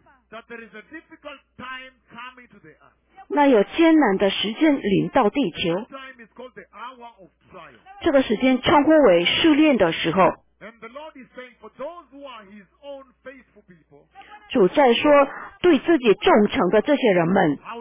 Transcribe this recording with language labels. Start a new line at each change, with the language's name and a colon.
English: that there is a difficult time coming to the earth.
Chinese: 那有艰难的时间临到地球。
English: Time is called the hour of trial.
Chinese: 这个时间称呼为试炼的时候。
English: And the Lord is saying for those who are His own faithful people.
Chinese: 主在说对自己忠诚的这些人们。